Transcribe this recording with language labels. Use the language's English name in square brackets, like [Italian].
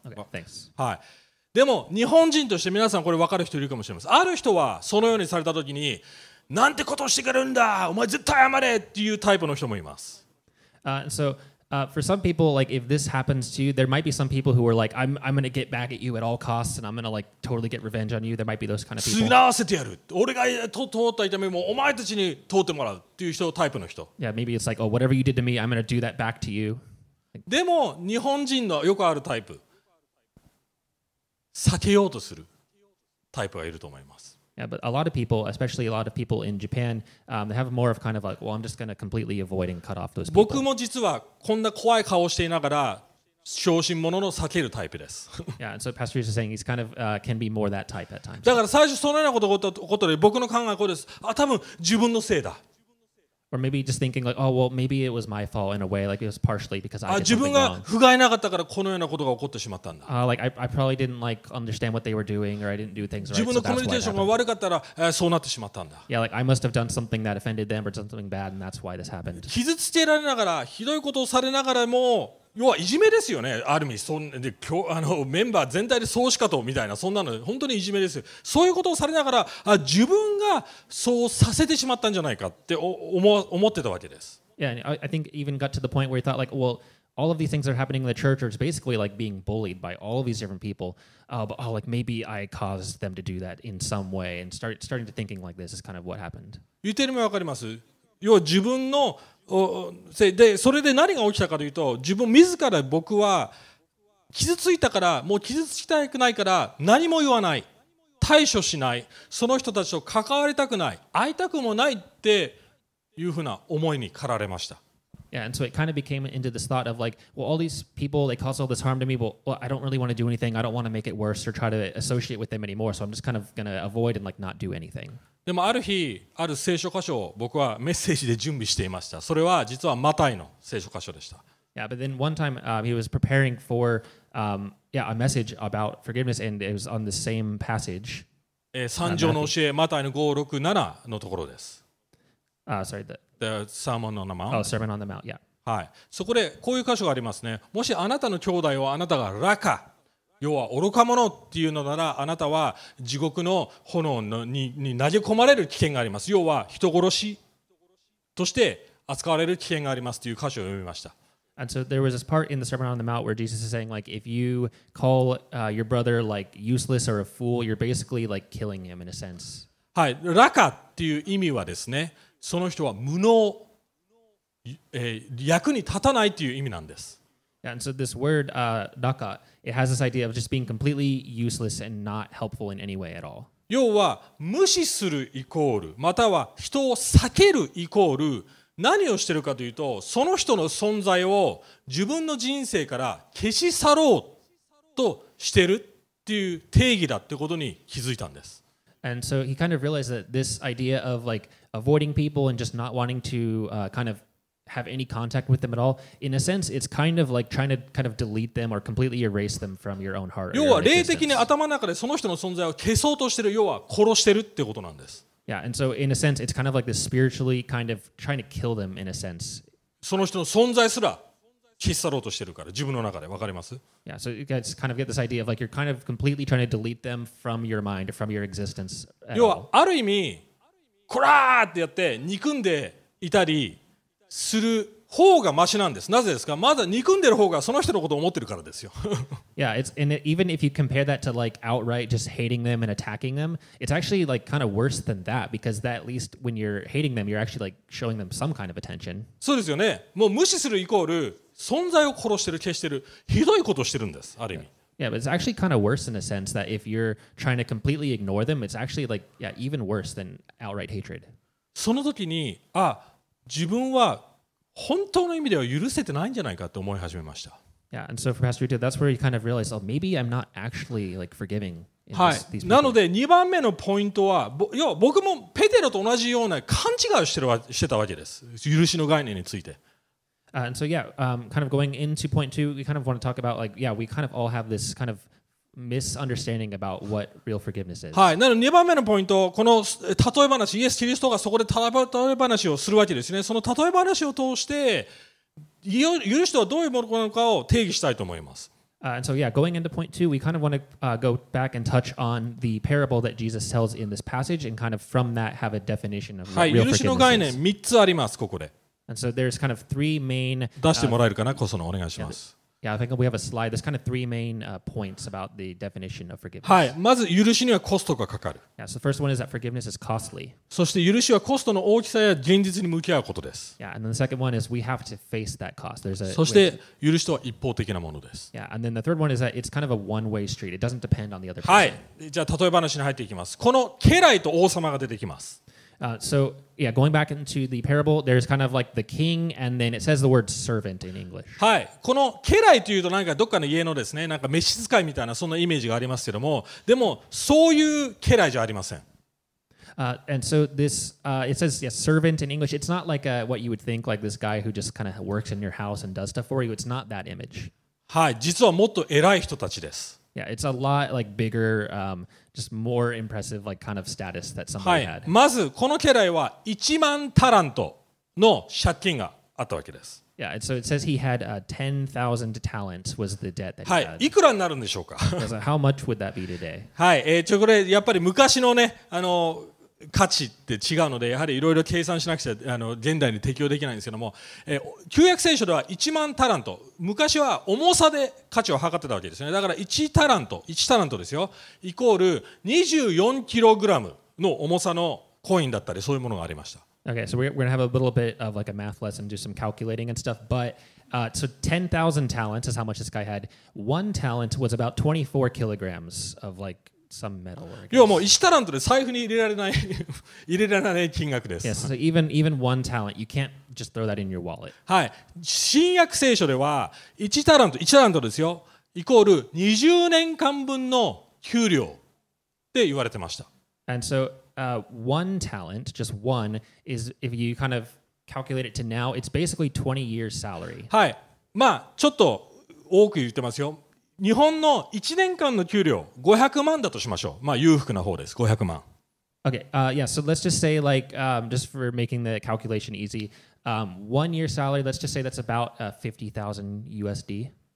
[English] Okay, but, thanks. [Japanese] はい。でも日本人として皆さんこれ分かる人いるかもしれません。ある人はそのようにされた時に、なんてことをしてくれるんだ、お前絶対謝れっていうタイプの人もいます。 [English] So for some people, like if this happens to you, there might be some people who are like, I'm going to get back at you at all costs and I'm going to like totally get revenge on you. There might be those kind of people. [Japanese] 償わせてやる。俺が通った痛みもお前たちに通ってもらうっていう人タイプの人。 [English] Yeah, maybe it's like, oh, whatever you did to me, I'm going to do that back to you. [Japanese] でも日本人のよくあるタイプ、避けようとするタイプがいると思います。 [English] Yeah, but a lot of people, especially a lot of people in Japan, they have more of kind of like, well, I'm just going to completely avoid and cut off those people. [Japanese] 僕も実はこんな怖い顔をしていながら、小心者の避けるタイプです。 [English] Yeah, and so Pastor Rita is saying he's kind of can be more that type at times. [Japanese] だから最初そのようなことが起こったら、僕の考えはこうです。あ、多分自分のせいだ。 [English] Or maybe just thinking like, oh, well, maybe it was my fault in a way, like it was partially because I did something wrong. [Japanese] 自分が不甲斐なかったからこのようなことが起こってしまったんだ。 [English] Like I probably didn't like understand what they were doing or I didn't do things right. [Japanese] 自分のコミュニケーションが悪かったらそうなってしまったんだ。 [English] Yeah, like I must have done something that offended them or done something bad and that's why this happened. [Japanese] 傷つけられながら、ひどいことをされながらも、要はいじめですよね。ある意味、メンバー全体で総しかとみたいな、そんなの本当にいじめですよ。そういうことをされながら、自分がそうさせてしまったんじゃないかって思ってたわけです。 [English] Yeah, I think even got to the point where you thought like, well, all of these things are happening in the church, or it's basically like being bullied by all of these different people. But oh, like maybe I caused them to do that in some way, and starting to thinking like this is kind of what happened. [Japanese] 言ってるのわかります。要は自分のでそれで何が起きたかというと、自分自ら僕は傷ついたから、もう傷つきたくないから何も言わない、対処しない、その人たちと関わりたくない、会いたくもないっていうふうな思いに駆られました。 [English] Yeah, and so it kind of became into this thought of like, well, all these people, they cause all this harm to me, but well, I don't really want to do anything. I don't want to make it worse or try to associate with them anymore. So I'm just kind of going to avoid and like not do anything. [Japanese] でもある日、ある聖書箇所を僕はメッセージで準備していました。それは実はマタイの聖書箇所でした。 [English] Yeah, but then one time he was preparing for a message about forgiveness and it was on the same passage. [Japanese] 三条の教え、マタイの5、6、7のところです。 [English] Sorry, the... The Sermon on the Mount. Oh, Sermon on the Mount, yeah. [Japanese] はい。そこでこういう箇所がありますね。もしあなたの兄弟をあなたがラカ、要は愚か者っていうのなら、あなたは地獄の炎のに投げ込まれる危険があります。要は人殺しとして扱われる危険がありますという箇所を読みました。 [English] And so there was this part in the Sermon on the Mount where Jesus is saying, like, if you call your brother like useless or a fool, you're basically like killing him in a sense. [Japanese] はい。ラカっていう意味はですね、その人は無能、役に立たないという意味なんです。 [English] Yeah, and so this word, raka, it has this idea of just being completely useless and not helpful in any way at all. [Japanese] 要は無視するイコール、または人を避けるイコール、何をしているかというと、その人の存在を自分の人生から消し去ろうとしているっていう定義だってことに気づいたんです。 [English] And so he kind of realized that this idea of like avoiding people and just not wanting to kind of have any contact with them at all, in a sense, it's kind of like trying to kind of delete them or completely erase them from your own heart. [Japanese] 要は霊的に頭の中でその人の存在を消そうとしてる、要は殺してるってことなんです。 [English] Yeah, and so in a sense, it's kind of like this spiritually kind of trying to kill them in a sense. [Japanese] その人の存在すら消し去ろうとしてるから、自分の中で、わかります？ [English] Yeah, so you guys kind of get this idea of like you're kind of completely trying to delete them from your mind, from your existence. [Japanese] 要はある意味、こらーってやって憎んでいたりする方がマシなんです。なぜですか？まだ憎んでる方がその人のことを思ってるからですよ。 [English] Yeah, it's, and it, even if you compare that to like outright just hating them and attacking them, it's actually like kind of worse than that because that at least when you're hating them, you're actually like showing them some kind of attention. [Japanese] そうですよね。もう無視するイコール存在を殺してる、消してる、ひどいことをしてるんです、ある意味。 [English] Yeah, but it's actually kind of worse in a sense that if you're trying to completely ignore them, it's actually like, yeah, even worse than outright hatred. [Japanese] その時に、あ、自分は本当の意味では許せてないんじゃないかと思い始めました。 [English] Yeah, and so for Pastor Rito, that's where you kind of realize, oh, maybe I'm not actually like forgiving in this, these people. [Japanese] はい。なので2番目のポイントは、要は僕もペテロと同じような勘違いをしてたわけです。許しの概念について。 [English] And so yeah, kind of going into point two, we kind of want to talk about like, yeah, we kind of all have this kind of misunderstanding about what real forgiveness is. [Japanese] はい。なので2番目のポイント、この例え話、イエス・キリストがそこで例え話をするわけですね。その例え話を通して、許しとはどういうものなのかを定義したいと思います。 [English] And so yeah, going into point two, we kind of want to go back and touch on the parable that Jesus tells in this passage and kind of from that have a definition of what real forgiveness is. [Japanese] はい。許しの概念、3つあります、ここで。 [English] And so there's kind of three main... [Japanese] 出してもらえるかな、コソノ、お願いします。 [English] Yeah, I think we have a slide. There's kind of three main points about the definition of forgiveness. [Japanese] はい、まず許しにはコストがかかる。 [English] Yeah, so the first one is that forgiveness is costly. [Japanese] そして許しはコストの大きさや現実に向き合うことです。 [English] Yeah, and then the second one is we have to face that cost. There's a... [Japanese] そして許しとは一方的なものです。 [English] Yeah, and then the third one is that it's kind of a one-way street. It doesn't depend on the other person. [Japanese] はい、じゃあ例え話に入っていきます。この家来と王様が出てきます。 [English] So yeah, going back into the parable, there's kind of like the king, and then it says the word servant in English. [Japanese] はい、この家来というとなんかどっかの家のですね、なんか召使いみたいなそんなイメージがありますけども、でもそういう家来じゃありません。 [English] And so this, it says yes, servant in English. It's not like a, what you would think, like this guy who just kind of works in your house and does stuff for you. It's not that image. [Japanese] はい、実はもっと偉い人たちです。 [English] Yeah, it's a lot like bigger, just more impressive like kind of status that somebody had. [Japanese] まずこの家来は1万タラントの借金があったわけです。 [English] Yeah, and so it says he had 10,000 talents was the debt that he had. [Japanese] はい、いくらになるんでしょうか。 [English] So how much would that be today? [Japanese] はい、これやっぱり昔のね、価値って違うので、やはりいろいろ計算しなくちゃ現代に適用できないんですけども、旧約聖書では1万タラント、昔は重さで価値を測ってたわけですね。だから1タラント、1タラントですよ、イコール24キログラムの重さのコインだったり、そういうものがありました。 [English] Okay, so we're gonna have a little bit of like a math lesson, do some calculating and stuff, but so 10,000 talents is how much this guy had. One talent was about 24 kilograms of like. Some metal, [Japanese] いやもう1タラントで財布に入れられない入れられない金額です。 [English] Yes, so even one talent, you can't just throw that in your wallet. [Japanese] はい、新約聖書では1タラント1タラントですよ、イコール20年間分の給料って言われてました。 [English] And so, one talent, just one, is if you kind of calculate it to now, it's basically 20 years salary. [Japanese] はい、まあちょっと多く言ってますよ。日本の1年間の給料500万だとしましょう。まあ裕福な方です。500万。 [English] Okay. Yeah. So let's just say like, just for making the calculation easy, one year salary. Let's just say that's about 50,000 USD.